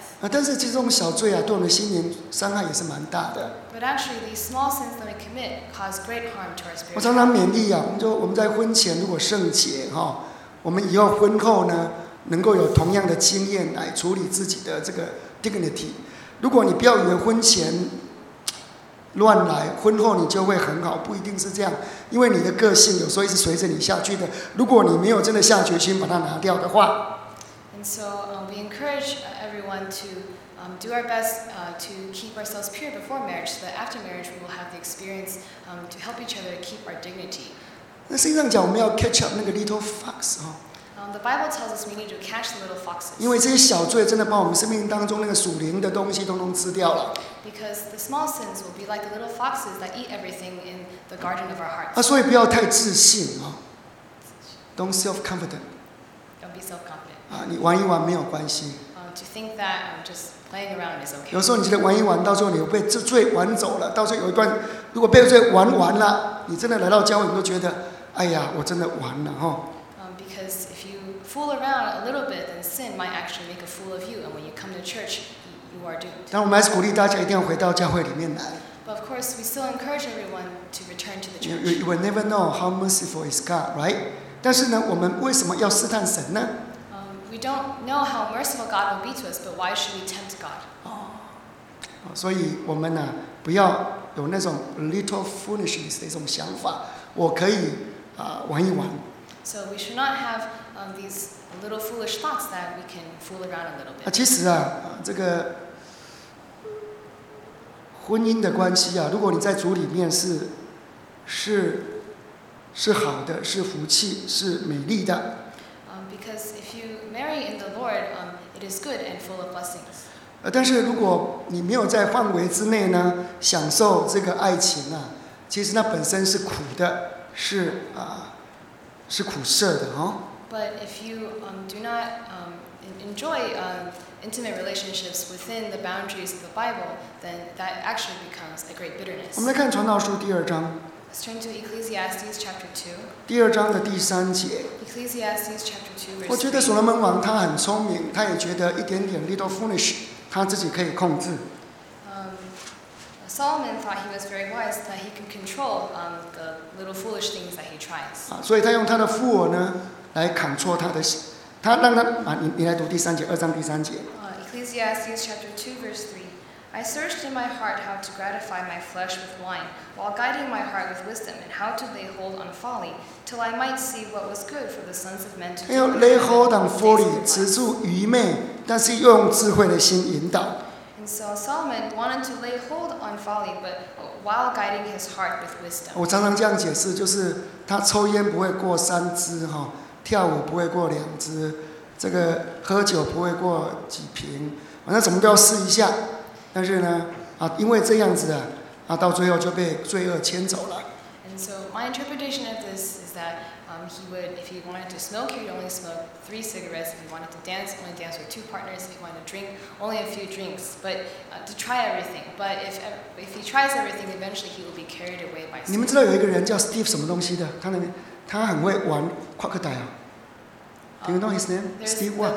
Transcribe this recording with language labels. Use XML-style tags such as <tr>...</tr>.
<zh>但是这种小罪啊，对我们心灵伤害也是蛮大的。</zh> <en>But actually, these small sins that we commit cause great harm to our spirit.</en> <zh>我常常勉励啊，我们在婚前如果圣洁哈，我们以后婚后呢，能够有同样的经验来处理自己的这个 dignity。如果你不要以为婚前乱来，婚后你就会很好，不一定是这样，因为你的个性有时候一直随着你下去的。如果你没有真的下决心把它拿掉的话。</zh> <en>And so we encourage everyone to do our best to keep ourselves pure before marriage, so that after marriage we will have the experience to help each other keep our dignity.</en> <zh>那圣经上讲我们要</zh> <en>catch up</en> <zh>那个</zh> <en>little fox</en> <zh>哈。</zh> <en>The Bible tells us we need to catch the little foxes.</en> <zh>因为这些小罪真的把我们生命当中那个属灵的东西统统吃掉了。</zh> <en>Because the small sins will be like the little foxes that eat everything in the garden of our hearts.</en> <zh>所以不要太自信啊。</zh> <en>Don't self-confident. Don't be self-confident.</en> <zh>你玩一玩没有关系。</zh> <en>To think that just playing around is okay.</en> <zh>有时候你觉得玩一玩，到最后你被这罪玩走了，到最后有一段，如果被罪玩完了，你真的来到教会，你都觉得，哎呀，我真的完了哈。</zh> <en>Because if you fool around a little bit, then sin might actually make a fool of you, and when you come to church, you are doomed.</en> <zh>但我们还是鼓励大家一定要回到教会里面来。</zh> <en>But of course, we still encourage everyone to return to the church. You will never know how merciful is God, right?</en> <zh>但是呢，我们为什么要试探神呢？</zh> <en>We don't know how merciful God will be to us, but why should we tempt God?</en> <zh>所以我们呢，不要有那种</zh> <en>little foolishness</en> <zh>的一种想法。我可以玩一玩。</zh> <en>So we should not have these little foolish thoughts that we can fool around a little bit.</en> <zh>其实啊，这个婚姻的关系啊，如果你在主里面是好的，是福气，是美丽的。</zh> <en>Because if you marry in the Lord, it is good and full of blessings.</en> <zh>但是如果你没有在范围之内呢，享受这个爱情啊，其实那本身是苦的，是苦涩的哦。</zh> <en>But if you do not enjoy intimate relationships within the boundaries of the Bible, then that actually becomes a great bitterness.</en> <zh>我们来看《传道书》第二章。</zh> <en>Let's turn to Ecclesiastes chapter 2.</en> <zh>第二章的第三节。</zh> <en>Ecclesiastes chapter 2, verse</en> <zh>3. 我觉得所罗门王他很聪明，他也觉得一点点</zh> <en>little foolish，</en> <zh>他自己可以控制。</zh> <en>Solomon thought he was very wise, that he can control the little foolish things that he tries. 所以他用他的富偶呢来control他的，他让他啊，你来读第三节，二章第三节。 Ecclesiastes chapter 2, verse 3. I searched in my heart how to gratify my flesh with wine, while guiding my heart with wisdom, and how to lay hold on folly, till I might see what was good for the sons of men to do.</en> <zh>要</zh> <en>lay hold on folly，</en> <zh>止住愚昧，但是用智慧的心引导。</zh> <en>And so Solomon wanted to lay hold on folly, but while guiding his heart with wisdom.</en> <zh>我常常这样解释，就是他抽烟不会过三支哈，跳舞不会过两支，这个喝酒不会过几瓶，反正什么都要试一下。但是呢，因为这样子啊，到最后就被罪恶牵走了。</zh> <en>And so my interpretation of this is that he would, if he wanted to smoke, he'd only smoke 3 cigarettes. If he wanted to dance, only dance with 2 partners. If he wanted to drink, only a few drinks. But to try everything. But if he tries everything, eventually he will be carried away by.</en> <zh>你们知道有一个人叫 Steve 什么东西的？他很会玩 crocodile.</zh> <en>Do you know his name? Steve what?</en>